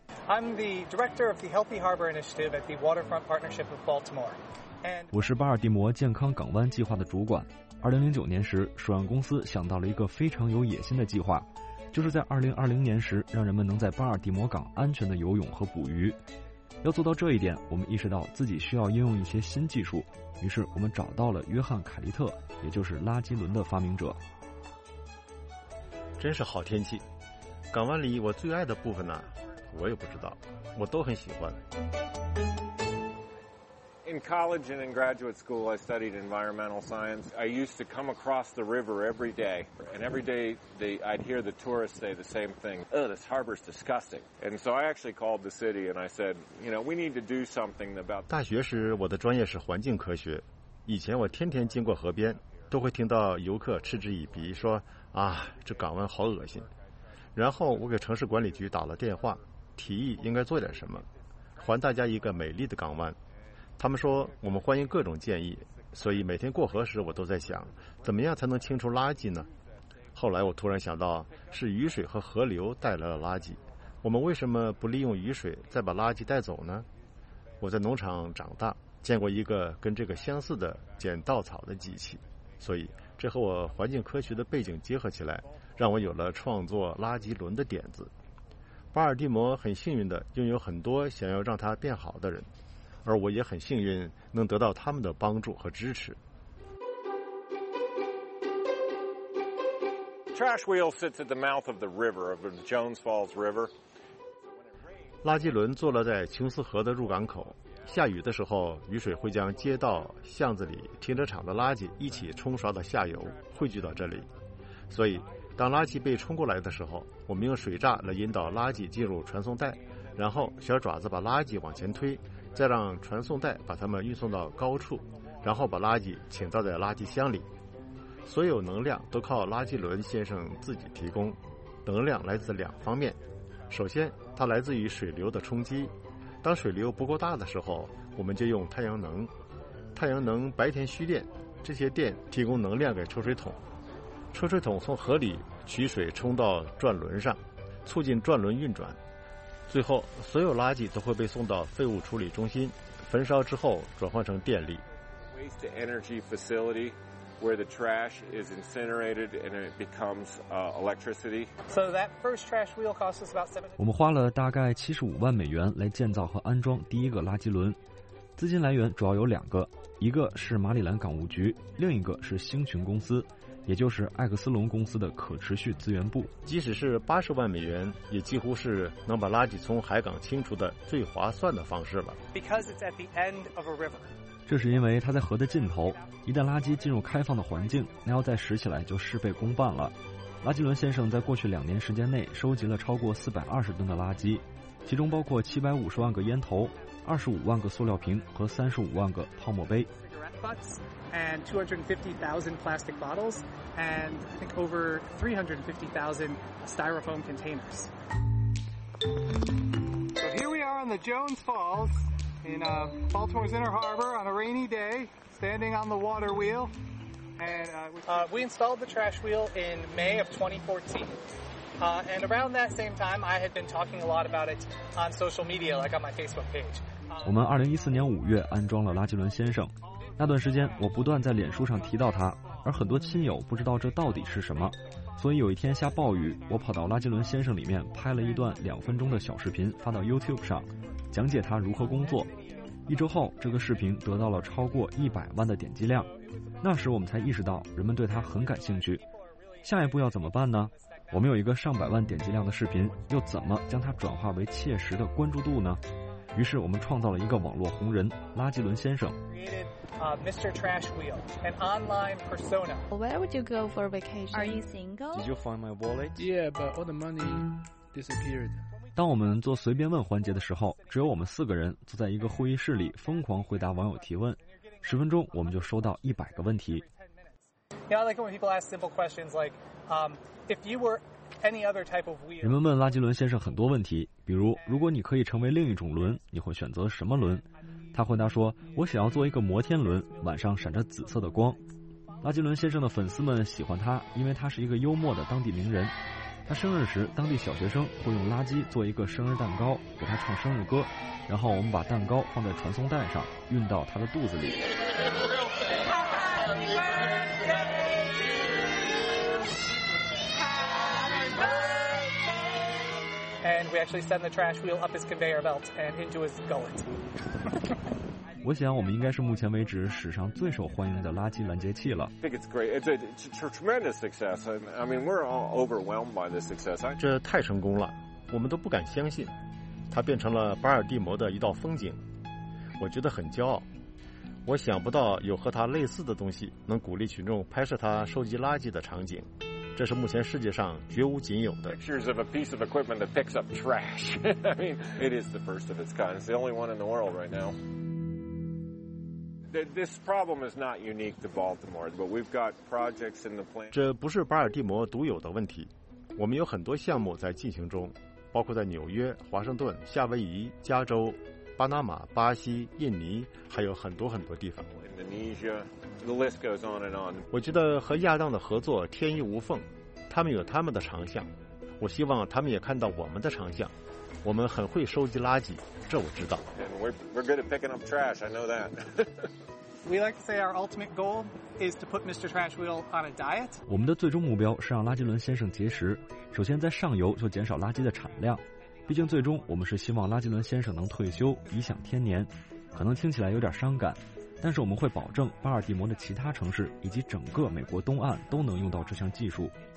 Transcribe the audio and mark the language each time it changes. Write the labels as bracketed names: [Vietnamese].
[English] I'm the director of the Healthy Harbor Initiative at the Waterfront Partnership of Baltimore. [Chinese] 我是巴尔的摩健康港湾计划的主管。2009年时，首钢公司想到了一个非常有野心的计划，就是在2020年时，让人们能在巴尔的摩港安全的游泳和捕鱼。要做到这一点，我们意识到自己需要应用一些新技术，于是我们找到了约翰·凯利特，也就是垃圾轮的发明者。真是好天气，港湾里我最爱的部分呢，我也不知道，我都很喜欢。 [English] In college and in graduate school, I studied environmental science. I used to come across the river every day, and every day I'd hear the tourists say the same thing. Oh, this harbor's disgusting. And so I actually called the city and I said, you know, we need to do something about. [Chinese] 大学时我的专业是环境科学，以前我天天经过河边，都会听到游客嗤之以鼻说啊，这港湾好恶心。然后我给城市管理局打了电话，提议应该做点什么，还大家一个美丽的港湾。他们说我们欢迎各种建议，所以每天过河时我都在想，怎么样才能清除垃圾呢？后来我突然想到，是雨水和河流带来了垃圾，我们为什么不利用雨水再把垃圾带走呢？我在农场长大，见过一个跟这个相似的剪稻草的机器，所以这和我环境科学的背景结合起来，让我有了创作垃圾轮的点子。巴尔的摩很幸运地拥有很多想要让它变好的人，而我也很幸运能得到他们的帮助和支持。 [English] Trash wheel sits at the mouth of the river, of the Jones Falls River. [Chinese] 垃圾轮坐落在琼斯河的入港口，下雨的时候，雨水会将街道、巷子里停车场的垃圾一起冲刷到下游，汇聚到这里。所以当垃圾被冲过来的时候，我们用水闸来引导垃圾进入传送带，然后小爪子把垃圾往前推，再让传送带把它们运送到高处，然后把垃圾倾倒在垃圾箱里。所有能量都靠垃圾轮先生自己提供，能量来自两方面，首先它来自于水流的冲击，当水流不够大的时候，我们就用太阳能，太阳能白天蓄电，这些电提供能量给抽水桶，抽水桶从河里取水冲到转轮上，促进转轮运转，最后所有垃圾都会被送到废物处理中心，焚烧之后转换成电力。 [English] Waste energy facility where the trash is incinerated and it becomes electricity. So that first trash wheel cost us about 7. [Chinese] 我们花了大概75万美元来建造和安装第一个垃圾轮，资金来源主要有两个，一个是马里兰港务局，另一个是星群公司，也就是艾克斯隆公司的可持续资源部。即使是80万美元，也几乎是能把垃圾从海港清除的最划算的方式了。 [English] Because it's at the end of a river. [Chinese] 这是因为它在河的尽头，一旦垃圾进入开放的环境，那要再拾起来就事倍功半了。垃圾轮先生在过去2年时间内收集了超过420吨的垃圾，其中包括750万个烟头、25万个塑料瓶和35万个泡沫杯。 [English] And 250,000 plastic bottles, and I think over 350,000 styrofoam containers. So here we are in the Jones Falls, in Baltimore's Inner Harbor, on a rainy day, standing on the water wheel. And we installed the trash wheel in May of 2014. And around that same time, I had been talking a lot about it on social media, like on my Facebook page. [Chinese] 我们2014年五月安装了垃圾轮先生。那段时间我不断在脸书上提到他，而很多亲友不知道这到底是什么，所以有一天下暴雨，我跑到垃圾轮先生里面拍了一段2分钟的小视频发到 YouTube 上，讲解他如何工作。一周后这个视频得到了超过100万的点击量，那时我们才意识到人们对他很感兴趣。下一步要怎么办呢？我们有一个上百万点击量的视频，又怎么将它转化为切实的关注度呢？于是我们创造了一个网络红人垃圾轮先生。 [English] Mr. Trash Wheel, an online persona. Where would you go for a vacation? Are you single? Did you find my wallet? Yeah, but all the money disappeared. [Chinese] 当我们做随便问环节的时候，只有我们四个人坐在一个会议室里疯狂回答网友提问。 10分钟，我们就收到100个问题。 [English] Yeah, I like it when people ask simple questions like, if you were any other type of wheel. [Chinese] 人们问垃圾轮先生很多问题，比如如果你可以成为另一种轮，你会选择什么轮？他回答说，我想要做一个摩天轮，晚上闪着紫色的光。拉吉伦先生的粉丝们喜欢他，因为他是一个幽默的当地名人。他生日时，当地小学生会用垃圾做一个生日蛋糕，给他唱生日歌，然后我们把蛋糕放在传送带上，运到他的肚子里。 [English] And we actually send the trash wheel up his conveyor belt and into his gullet. [Chinese] 我想我们应该是目前为止史上最受欢迎的垃圾拦截器了。 [English] I think it's great. It's a tremendous success. I mean, we're all overwhelmed by this success. [Chinese] 这太成功了，我们都不敢相信，它变成了巴尔的摩的一道风景。我觉得很骄傲。我想不到有和它类似的东西能鼓励群众拍摄它收集垃圾的场景。这是目前世界上绝无仅有的。 [English] Pictures of a piece of equipment that picks up trash. I mean, it is the first of its kind. It's the only one in the world right now. This problem is not unique to Baltimore, but we've got projects in the plan. [Chinese] 这不是巴尔的摩独有的问题。我们有很多项目在进行中，包括在纽约、华盛顿、夏威夷、加州、巴拿马、巴西、印尼，还有很多很多地方。 [English] Indonesia, the list goes on and on. [Chinese] 我觉得和亚当的合作天衣无缝，他们有他们的长项，我希望他们也看到我们的长项。我们很会收集垃圾，这我知道。 [English] And we're good at picking up trash, I know that. We like to say our ultimate goal is to put Mr. Trash Wheel on a diet. [Chinese] 我们的最终目标是让垃圾轮先生节食，首先在上游就减少垃圾的产量。毕竟最终我们是希望垃圾轮先生能退休颐享天年，可能听起来有点伤感，但是我们会保证巴尔的摩的其他城市以及整个美国东岸都能用到这项技术。